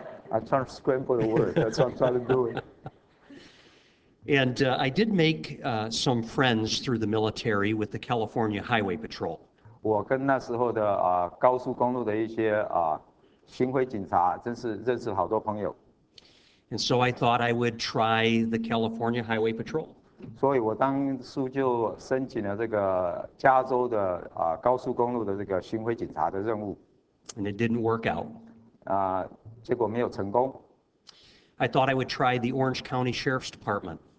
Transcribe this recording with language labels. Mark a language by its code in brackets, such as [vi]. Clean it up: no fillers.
[en] I'm trying to scramble the word. That's what I'm trying to do. And I did make some friends through the military with the California Highway Patrol. [zh] 我跟那时候的高速公路的一些巡回警察，真是认识好多朋友。 [en] And so I thought I would try the California Highway Patrol. [zh] 所以我当初就申请了这个加州的高速公路的这个巡回警察的任务。 [en] And it didn't work out. [zh] 结果没有成功。 [en] I thought I would try the Orange County Sheriff's Department.